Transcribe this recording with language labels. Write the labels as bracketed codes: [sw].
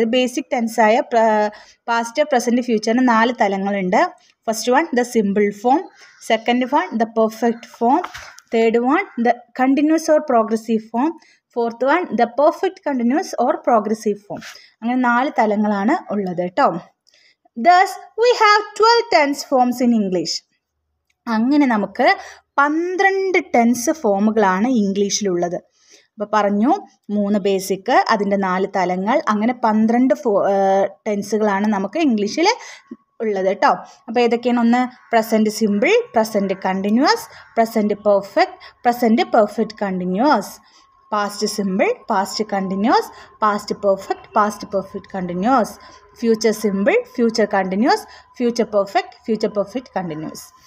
[ml] അതായത് basic ടെൻസായ past, present, ഫ്യൂച്ചറിന് 4 തലങ്ങളുണ്ട്. [en] First one the simple form, second one the perfect form, third one the continuous or progressive form, fourth one the perfect continuous or progressive form. [ml] അങ്ങനെ 4 തലങ്ങളാണ് ഉള്ളത് കേട്ടോ. [en] Thus, we have 12 tense forms in English. [ml] അങ്ങനെ നമുക്ക് 12 tense ഫോമുകളാണ് ഇംഗ്ലീഷിലുള്ളത്. അപ്പോൾ പറഞ്ഞു 3 basic, അതിൻ്റെ 4 തലങ്ങൾ, അങ്ങനെ 12 ടെൻസുകളാണ് നമുക്ക് ഇംഗ്ലീഷിൽ ഉള്ളത് കേട്ടോ. അപ്പോൾ ഏതൊക്കെയാണ്? [en] ഒന്ന് present simple, present continuous, present perfect, present perfect continuous, past simple, past continuous, past perfect, past perfect continuous, future simple, future continuous, future perfect, future perfect continuous.